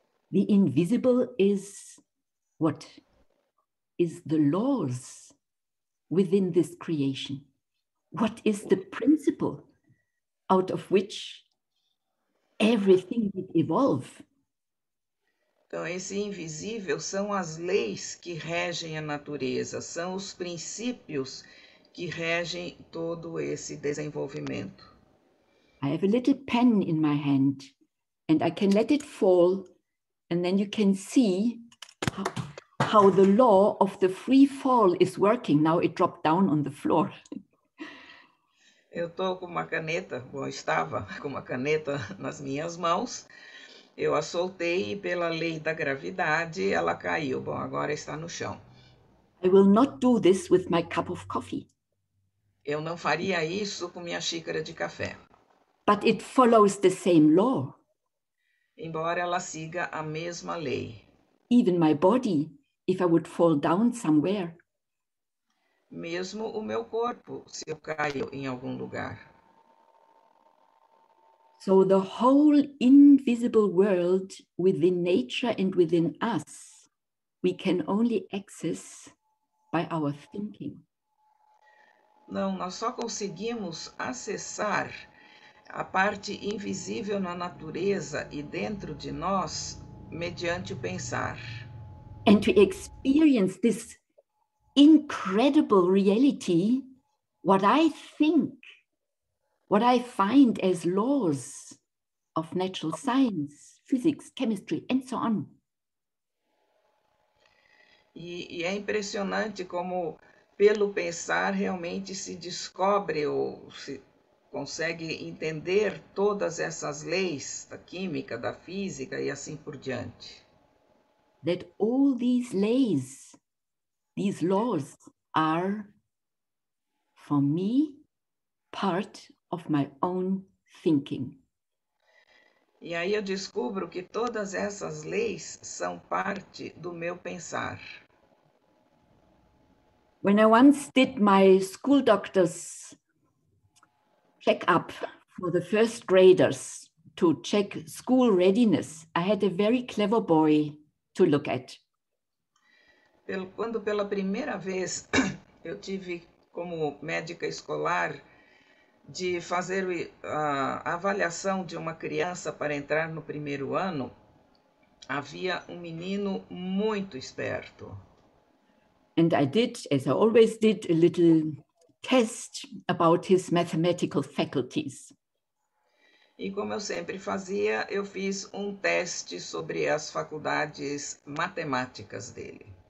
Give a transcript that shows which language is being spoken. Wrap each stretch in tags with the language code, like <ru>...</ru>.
<en>The invisible is what is the laws within this creation? What is the principle out of which everything did evolve?</en> <pt>Então, esse invisível são as leis que regem a natureza, são os princípios que regem todo esse desenvolvimento.</pt> <en>I have a little pen in my hand and I can let it fall and then you can see how the law of the free fall is working. Now it dropped down on the floor.</en> <pt>Eu tô com uma caneta, bom, estava com uma caneta nas minhas mãos. Eu a soltei e pela lei da gravidade ela caiu. Bom, agora está no chão.</pt> <en>I will not do this with my cup of coffee.</en> <pt>Eu não faria isso com minha xícara de café.</pt> <en>But it follows the same law.</en> <pt>Embora ela siga a mesma lei.</pt> <en>Even my body, if I would fall down somewhere.</en> <pt>Mesmo o meu corpo, se eu caio em algum lugar.</pt> <en>So the whole invisible world within nature and within us, we can only access by our thinking.</en> <pt>Não, nós só conseguimos acessar a parte invisível na natureza e dentro de nós mediante o pensar.</pt> <en>And to experience this incredible reality, what I think, what I find as laws of natural science, physics, chemistry, and so on.</en> <pt>E é impressionante como pelo pensar realmente se descobre ou se consegue entender todas essas leis da química, da física e assim por diante.</pt> <en>That all these leis, these laws are, for me, part of my own thinking.</en> <pt>E aí eu descubro que todas essas leis são parte do meu pensar.</pt> <en>When I once did my school doctor's check-up for the first graders to check school readiness, I had a very clever boy to look at.</en> <pt>Quando pela primeira vez eu tive como médica escolar de fazer a avaliação de uma criança para entrar no primeiro ano, havia um menino muito esperto.</pt> <en>And I did, as I always did, a little test about his mathematical faculties.</en> <pt>E como eu sempre fazia, eu fiz um teste sobre as faculdades matemáticas dele.</pt>